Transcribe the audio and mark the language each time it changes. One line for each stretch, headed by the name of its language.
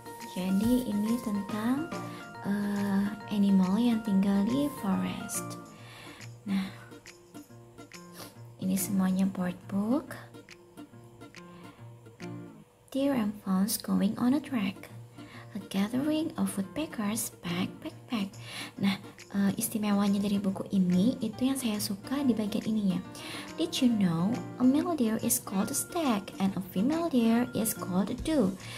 Indonesian: Jadi ini tentang animal yang tinggal di forest. Nah, ini semuanya board book.
English: Deer and fawns going on a track, a gathering of woodpeckers, backpack.
Indonesian: Nah, istimewanya dari buku ini itu yang saya suka di bagian ininya.
English: Did you know a male deer is called a stag and a female deer is called a doe?